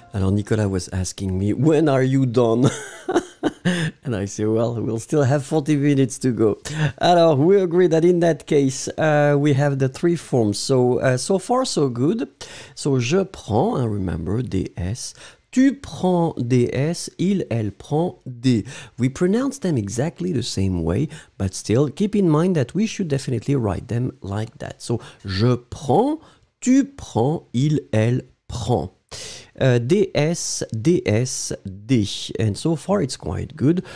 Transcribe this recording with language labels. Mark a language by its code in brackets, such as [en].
[en] Nicolas was asking me, when are you done? And I say, well, we'll still have 40 minutes to go. Alors, we agree that in that case, we have the three forms. So far, so good. So, [fr] je prends, [en] and remember, DS, [fr] Tu prends des S, il, elle prend des. [en] We pronounce them exactly the same way, but still, keep in mind that we should definitely write them like that. So, [fr] je prends, tu prends, il, elle prend. [en] DS, DS, D. And so far, it's quite good.